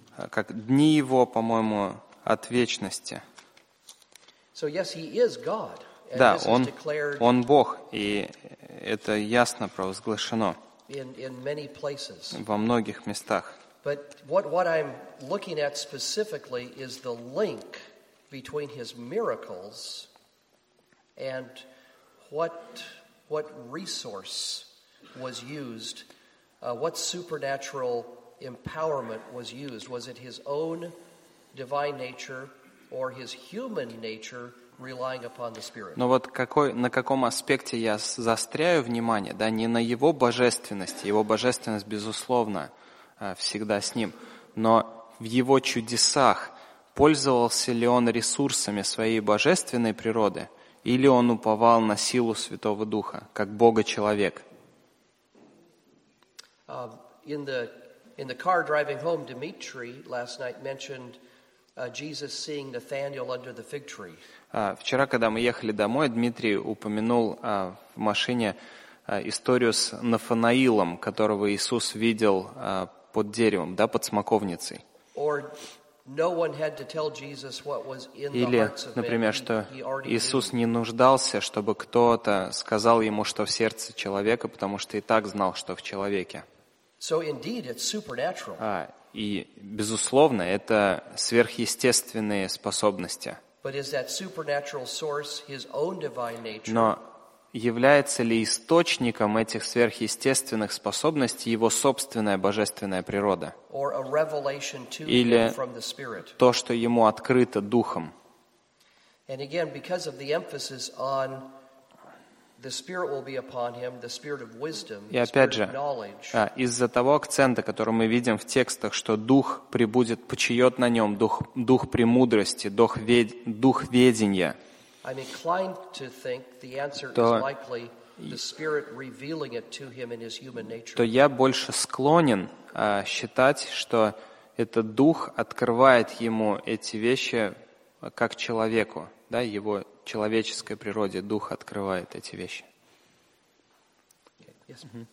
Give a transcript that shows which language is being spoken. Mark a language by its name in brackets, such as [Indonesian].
[Russian] как дни его, по-моему, от вечности. [English] So, yes, he is God. [Russian] Да, он Бог, и это ясно провозглашено во многих местах. [English] But what I'm looking at specifically is the link between his miracles and what resource was used, what supernatural empowerment was used. Was it his own divine nature or his human nature relying upon the Spirit? [Russian] Но вот на каком аспекте я заостряю внимание, да, не на его божественности, его божественность, безусловно, всегда с ним, но в его чудесах пользовался ли он ресурсами своей божественной природы, или он уповал на силу Святого Духа, как Бога-человек? [English] In the car driving home, Dimitri last night mentioned Jesus seeing Nathanael under the fig tree. [Russian] Вчера, когда мы ехали домой, Дмитрий упомянул в машине историю с Нафанаилом, которого Иисус видел под деревом, да, под смоковницей. [English] Or no one had to tell Jesus what was in the [Russian] Или, например, что Иисус не нуждался, чтобы кто-то сказал ему, что в сердце человека, потому что и так знал, что в человеке. [English] So indeed, it's supernatural. [Russian] И, безусловно, это сверхъестественные способности. [English] But is that supernatural source his own divine nature? [Russian] Но является ли источником этих сверхъестественных способностей его собственная божественная природа? Или то, что ему открыто Духом? [English] And again, because of the emphasis on the Spirit will be upon him, the Spirit of wisdom, the Spirit of knowledge. [Russian] Из-за того акцента, который мы видим в текстах, что Дух пребудет, почиет на нем, Дух премудрости, Дух ведения, [English] I'm inclined to think the answer is likely the Spirit revealing it to him in his human nature. [Russian] То я больше склонен считать, что это Дух открывает ему эти вещи как человеку, да, его человеческой природе Дух открывает эти вещи. [English] Yes.